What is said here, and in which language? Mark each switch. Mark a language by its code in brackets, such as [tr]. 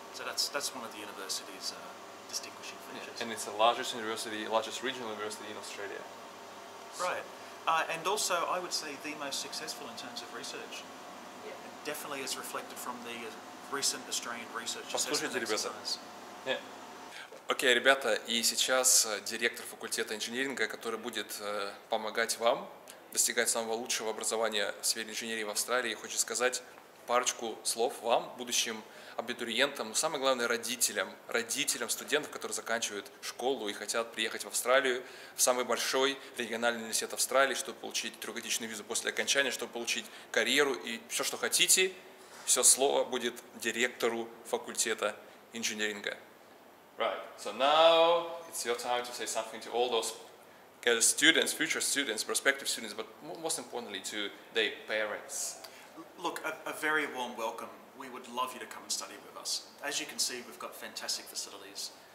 [en] So that's one of the university's distinguishing features. Yeah. And it's the largest university, largest regional university in Australia. Right. And also, I would say, the most successful in terms of research. Yeah. It definitely is reflected from the recent Australian research assessment exercise. Yeah. [ru] Окей, ребята, и сейчас директор факультета инженеринга, который будет помогать вам достигать самого лучшего образования в сфере инженерии в Австралии, хочет сказать парочку слов вам, будущим абитуриентам, но самое главное родителям, родителям студентов, которые заканчивают школу и хотят приехать в Австралию, в самый большой региональный университет Австралии, чтобы получить трехгодичную визу после окончания, чтобы получить карьеру и все, что хотите, все слово будет директору факультета инженеринга. [en] Right, so now it's your time to say something to all those students, future students, prospective students, but most importantly to their parents. Look, a very warm welcome. We would love you to come and study with us. As you can see, we've got fantastic facilities.